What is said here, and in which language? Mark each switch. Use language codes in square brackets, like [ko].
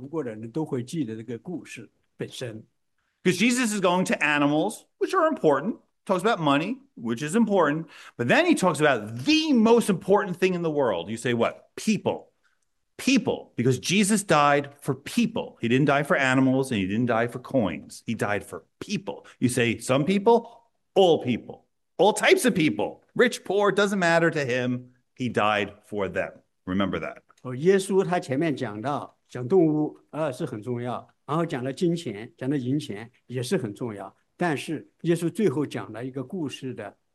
[zh] 虽然说我们有些时候可能记不得每一个细节，但是我们读过的人都会记得这个故事本身。 [en] Because Jesus is going to animals, which are important, talks about money, which is important, but then he talks about the most important thing in the world. You say what? People. People, because Jesus died for people. He didn't die for animals and he didn't die for coins. He died for people. You say some people, all types of people, rich, poor, doesn't matter to him. He died for them. Remember that. [zh] Oh, 耶稣他前面讲到动物是很重要，然后讲了金钱，讲了银钱也是很重要，但是耶稣最后讲了一个故事的。